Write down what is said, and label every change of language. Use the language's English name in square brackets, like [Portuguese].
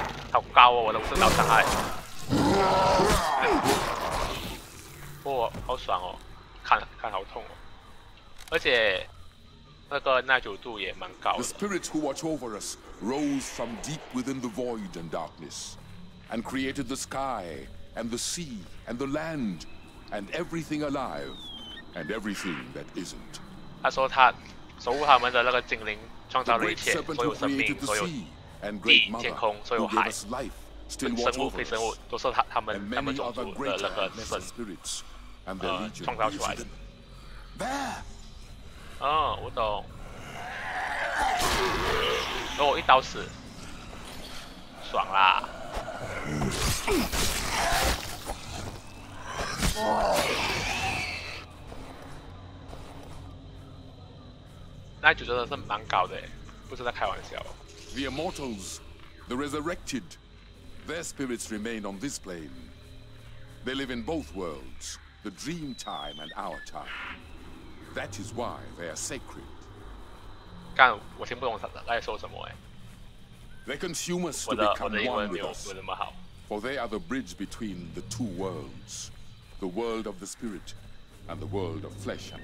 [Chinese] 好高哦，我的五十刀伤害。哇、哦，好爽哦，看好痛哦，而且那个耐久度也蛮高的。 [English] The spirits who watch over us rose from deep within the void and darkness, and created the sky and the sea and the land and everything alive and everything that isn't. [Chinese] 他说他守护他们的那个精灵创造了一切，所有生命，所有地、天空，所有海。生物、非生物都是他们种族的那个神，创造出来的。哦，我懂。哦，一刀死，爽啦！那组真的是蛮高的，不是在开玩笑。 [English] The immortals, the resurrected. Their spirits remain on this plane. They live in both worlds, the dream time and our time. That is why they are sacred. [Chinese] 干，我听不懂他在说什么哎。 [English] They consume us to become one with us. For they are the bridge between the two worlds, the world of the spirit and the world of flesh.